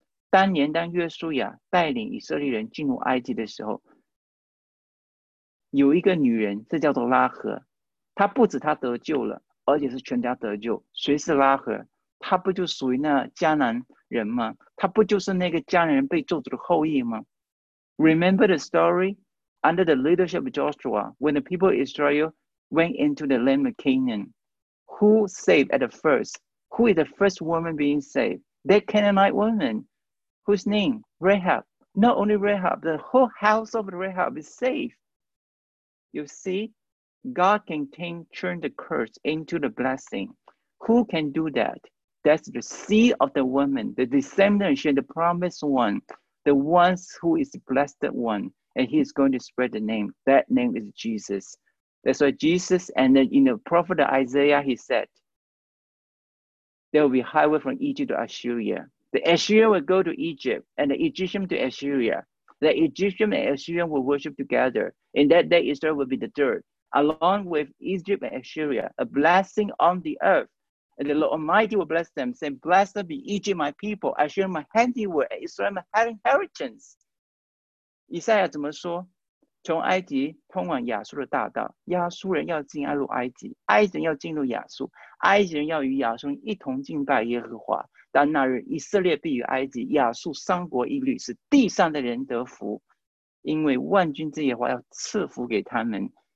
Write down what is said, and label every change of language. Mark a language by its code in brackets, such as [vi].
[zh] 当年当约书亚带领以色列人进入埃及的时候，有一个女人，这叫做拉合，她不止她得救了，而且是全家得救。谁是拉合？他不就属于那迦南人吗？他不就是那个迦南人被咒诅的后裔吗？ [en] Remember the story? Under the leadership of Joshua, when the people of Israel went into the land of Canaan, who saved at the first? Who is the first woman being saved? That Canaanite woman, whose name? Rahab. Not only Rahab, the whole house of Rahab is saved. You see? God can turn the curse into the blessing. Who can do that? That's the seed of the woman, the descendant, the promised one, the one who is the blessed one, and he is going to spread the name. That name is Jesus. That's why Jesus, and then in the prophet Isaiah, he said, there will be highway from Egypt to Assyria. The Assyrian will go to Egypt, and the Egyptian to Assyria. The Egyptian and Assyrian will worship together. In that day, Israel will be the dirt.Along with Egypt and Assyria, a blessing on the earth. And the Lord Almighty will bless them, saying, blessed be Egypt, my people, I share my handiwork, and Israel, my inheritance. [zh] 以赛亚怎么说？从埃及通往亚述的大道，亚述人要进入埃及，埃及人要进入亚述，埃及人要与亚述人一同敬拜耶和华。但那日，以色列必与埃及、亚述三国一律，是地上的人得福，因为万军之耶和华要赐福给他们。